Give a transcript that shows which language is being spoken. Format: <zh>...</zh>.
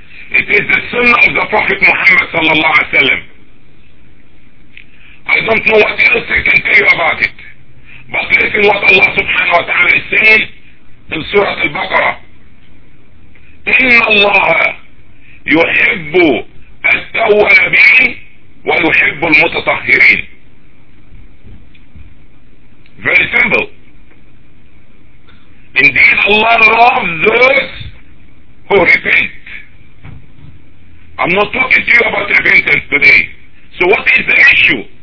<en>It is the sunnah of the Prophet Muhammad sallallahu alaihi wasallam. I don't know what else I can tell you about it, but listen what Allah subhanahu wa ta'ala is saying in Surah Al-Baqarah.</en> <ar>إِنَّ اللَّهَ يُحِبُّ التوابين ويحب المتطهرين.</ar> <en>Very simple. Indeed, Allah loves those who repent. I'm not talking to you about repentance today. So what is the issue?</en>